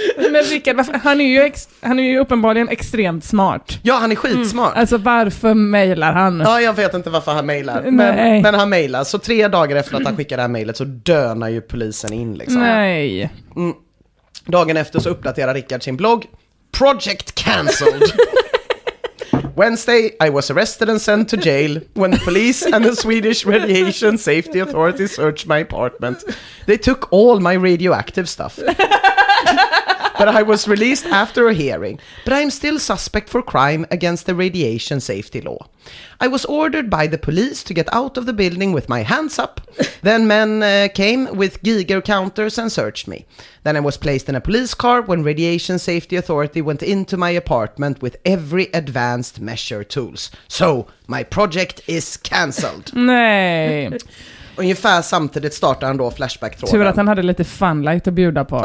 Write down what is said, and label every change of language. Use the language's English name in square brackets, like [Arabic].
[Swedish] Men Rickard, han är ju uppenbarligen extremt smart. Ja, han är skitsmart. Mm. Alltså, varför mejlar han? Ja, jag vet inte varför han mejlar. Men han mejlar. Så 3 dagar efter att han skickar det här mejlet så dönar ju polisen in. Liksom. Nej. Dagen efter så uppdaterar Rickard sin blogg. [English] Project cancelled. Wednesday, I was arrested and sent to jail when police and the Swedish Radiation Safety Authority searched my apartment. They took all my radioactive stuff. But I was released after a hearing. But I'm still suspect for crime against the radiation safety law. I was ordered by the police to get out of the building with my hands up. Then men came with Geiger counters and searched me. Then I was placed in a police car when Radiation Safety Authority went into my apartment with every advanced measure tools. So my project is cancelled. [Swedish] Nej. Ungefär samtidigt startade han då Flashback-tråden. Tur att han hade lite funlight att bjuda på.